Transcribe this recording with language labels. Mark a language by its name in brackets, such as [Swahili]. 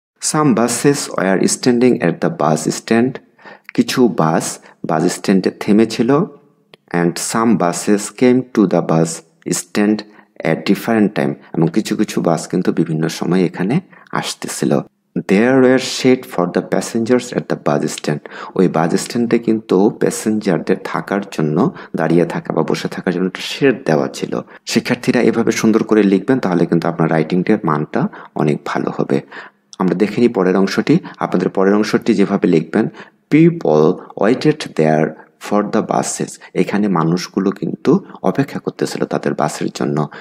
[English] some buses were standing at the bus stand, [Bangla] কিছু বাস বাস স্ট্যান্ডে থেমেছিল। [English] and some buses came to the bus stand at different time, [Bangla] এবং কিছু কিছু বাস কিন্তু বিভিন্ন সময় এখানে আসতেছিল। [English] There were shade for the passengers at the bus stand. [Bangla] ওই বাস স্ট্যান্ডে কিন্তু প্যাসেঞ্জারদের থাকার জন্য, দাঁড়িয়ে থাকা বা বসে থাকার জন্য একটা শেড দেওয়া ছিল। শিক্ষার্থীরা এভাবে সুন্দর করে লিখবেন, তাহলে কিন্তু আপনার রাইটিংটার মানটা অনেক ভালো হবে। আমরা দেখে নিই পরের অংশটি। আপনাদের পরের অংশটি যেভাবে লিখবেন, [English] people waited there for the buses, [Bangla] এখানে মানুষগুলো কিন্তু অপেক্ষা করতেছিল তাদের বাসের জন্য।